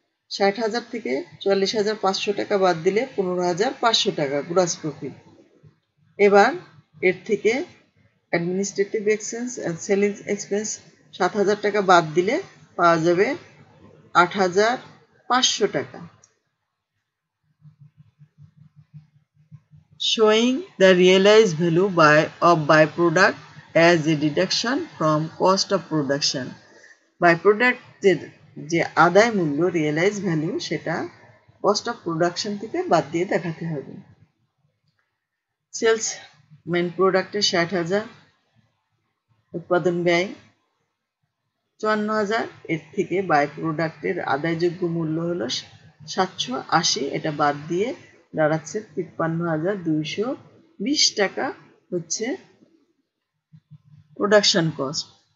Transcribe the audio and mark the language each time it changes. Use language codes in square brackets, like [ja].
[bn] 60000 থেকে 44500 টাকা বাদ দিলে 15500 টাকা গ্রস প্রফিট। এবার এর থেকে administrative expense and selling expense 7000 টাকা বাদ দিলে পাওয়া যাবে 8500 টাকা। [en] Showing the realized value by of byproduct as a deduction from cost of production. [bn] Byproduct যে আদায় মূল্য রিয়েলাইজ ভ্যালু সেটা কস্ট অফ প্রোডাকশন থেকে বাদ দিয়ে দেখাতে হবে। সেলস মেন প্রোডাক্টের 60000, উৎপাদন ব্যয় 54000, এর থেকে বাই প্রোডাক্টের আদায়যোগ্য মূল্য হলো 780, এটা বাদ দিয়ে দাঁড়াচ্ছে 53220 টাকা হচ্ছে প্রোডাকশন কস্ট।